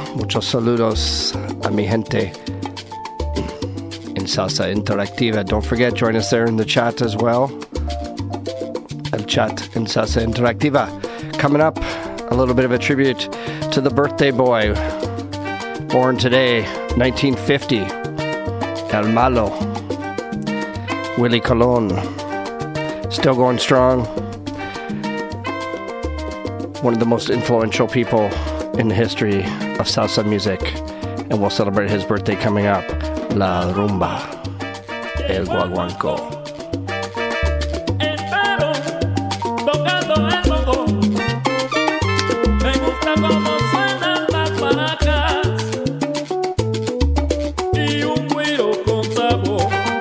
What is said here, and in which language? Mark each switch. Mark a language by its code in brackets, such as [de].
[es] Muchos saludos a mi gente. Salsa Interactiva. [en] Don't forget, join us there in the chat as well. El chat in Salsa Interactiva. Coming up, a little bit of a tribute to the birthday boy. Born today, 1950. El Malo. Willie Colon. Still going strong. One of the most influential people in the history of salsa music. And we'll celebrate his birthday coming up. [es] La Rumba. El guaguanco. Espero tocando el bongo. Me gusta como suenan las maracas y un güiro con sabor.